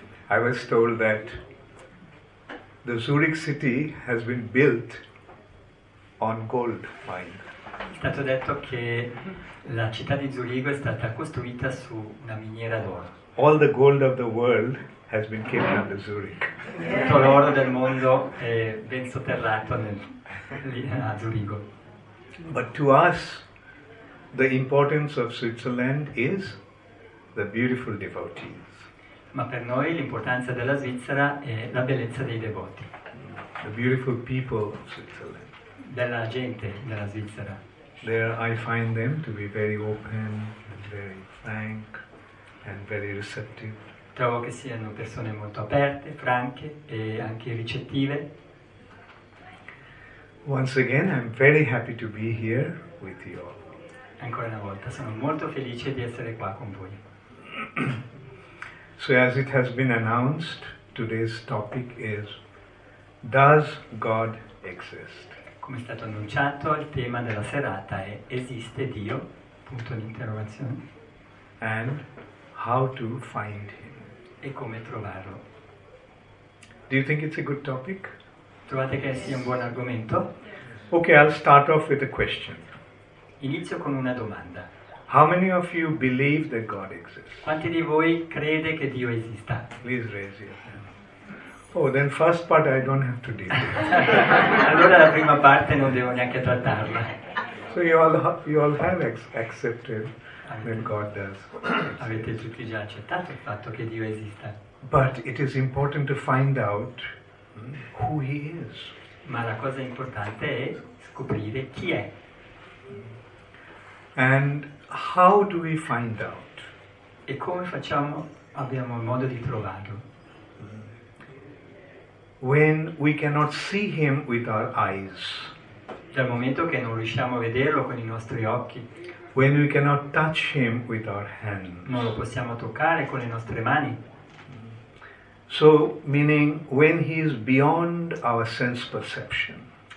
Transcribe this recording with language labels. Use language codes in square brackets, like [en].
[en] I was told that the Zurich city has been built on gold mine. [it] È stato detto che la città di Zurigo è stata costruita su una miniera d'oro. [en] All the gold of the world has been kept under Zurich. [it] Tutto l'oro del mondo è ben sotterrato a Zurigo. [en] But to us, the importance of Switzerland is the beautiful devotees. [it] Ma per noi l'importanza della Svizzera è la bellezza dei devoti. [en] The beautiful people of Switzerland. [it] Della gente della Svizzera. [en] There I find them to be very open and very frank and very receptive. [it] Trovo che siano persone molto aperte, franche e anche ricettive. [en] Once again, I'm very happy to be here with you all. [it] Ancora una volta, sono molto felice di essere qua con voi. [en] So as it has been announced, today's topic is Does God exist? [it] Come è stato annunciato, il tema della serata è Esiste Dio? Punto di interrogazione. [en] And how to find him? [it] E come trovarlo. [en] Do you think it's a good topic? [it] Trovate che sia un buon argomento? [en] Okay, I'll start off with a question. [it] Inizio con una domanda. [en] How many of you believe that God exists? [it] Quanti di voi crede che Dio esista? [en] Please raise your hand. Oh, then first part I don't have to deal with. [it] Allora la prima parte non devo neanche trattarla. [en] So you all have accepted. When God does. [it] Avete tutti già accettato il fatto che Dio esista. [en] But it is important to find out who he is. [it] Ma la cosa importante è scoprire chi è. [en] And how do we find out? [it] E come facciamo? Abbiamo il modo di trovarlo. [en] When we cannot see him with our eyes. [it] Dal momento che non riusciamo a vederlo con i nostri occhi. [en] When we cannot touch him with our hands. [it] Non lo possiamo toccare con le nostre mani. [en] So, meaning when he is beyond our sense perception.